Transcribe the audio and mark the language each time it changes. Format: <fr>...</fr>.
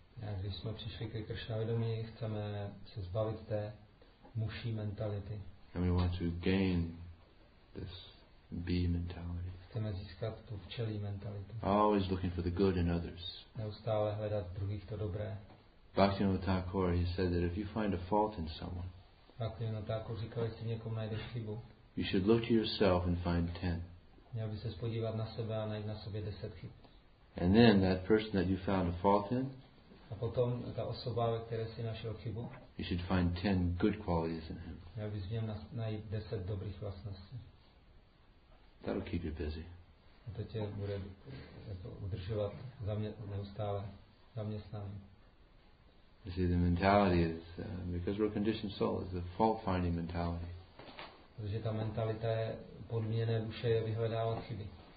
<cs>A když jsme přišli ke Krishna vědomí, chceme se zbavit té muší mentality.</cs> <en>And we want to gain this bee mentality.</en> <cs>Chceme získat tu včelí mentalitu.</cs> <en>Always looking for the good in others.</en> <cs>Neustále hledat druhých to dobré.</cs> <en>Bhaktivinoda Thakur, he said that if you find a fault in someone,</en> <cs>Bhaktivinoda Thakur říkal, jestli někomu najdeš chybu,</cs> <en>you should look to yourself and find 10.</en> <cs>Měl by ses podívat na sebe a najít na sobě 10 chyb.</cs> <en>And then that person that you found a fault in,</en> <cs>a potom ta osoba, ve které si našel chybu,</cs> <en>you should find 10 good qualities in him.</en> <cs>Měl bys v něm najít 10 dobrých vlastností.</cs> <en>That'll keep you busy.</en> <cs>A to tě bude udržovat neustále zaměstnaný.</cs> <en>You see, the mentality is because we're conditioned soul. It's a fault-finding mentality.</en> <cs>Protože ta mentalita je podmíněné duše je vyhledávat chyby.</cs>